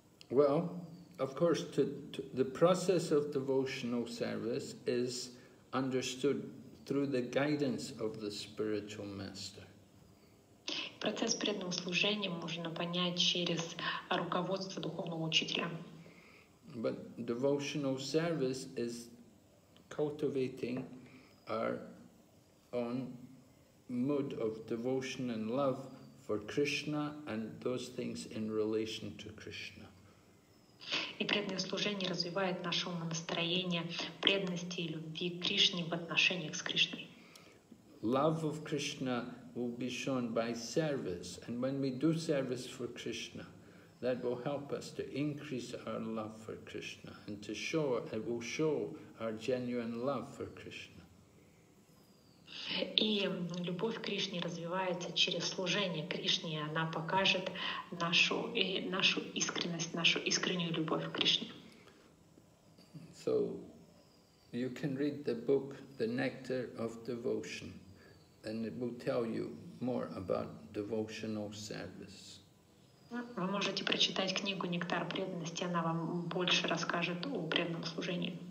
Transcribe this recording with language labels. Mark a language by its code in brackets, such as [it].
[en] Well, of course, to the process of devotional service is understood through the guidance of the spiritual master. [ru] Процесс преданного служения можно понять через руководство духовного учителя. [en] But devotional service is cultivating our own mood of devotion and love for Krishna and those things in relation to Krishna. [ru] И преданное служение развивает наше настроение преданности и любви к Кришне в отношениях с Кришной. [en] Love of Krishna will be shown by service, and when we do service for Krishna, that will help us to increase our love for Krishna and to show, it will show our genuine love for Krishna. [ru] И любовь к Кришне развивается через служение Кришне, и она покажет нашу, и нашу искренность, нашу искреннюю любовь к Кришне. [en] So, you can read the book The Nectar of Devotion, and it will tell you more about devotional service. [ru] Вы можете прочитать книгу «Нектар преданности», она вам больше расскажет о преданном служении.